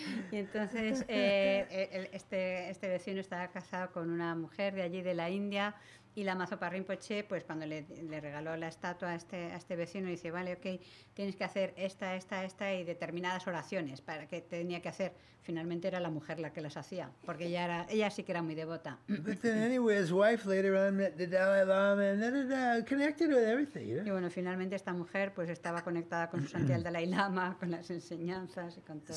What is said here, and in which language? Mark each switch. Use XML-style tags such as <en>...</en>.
<es>Y entonces este vecino estaba casado con una mujer de allí de la India y Lama Zopa Rinpoche, pues cuando le regaló la estatua a este vecino, dice, vale, okay, tienes que hacer esta y determinadas oraciones para que tenía que hacer. Finalmente era la mujer la que las hacía, porque ella sí que era muy devota.</es> <en>But then anyway, his wife later on met the Dalai Lama and connected with everything, you know?</en> <es>Y bueno, finalmente esta mujer pues estaba conectada con su santidad Dalai Lama, con las enseñanzas y con todo.</es>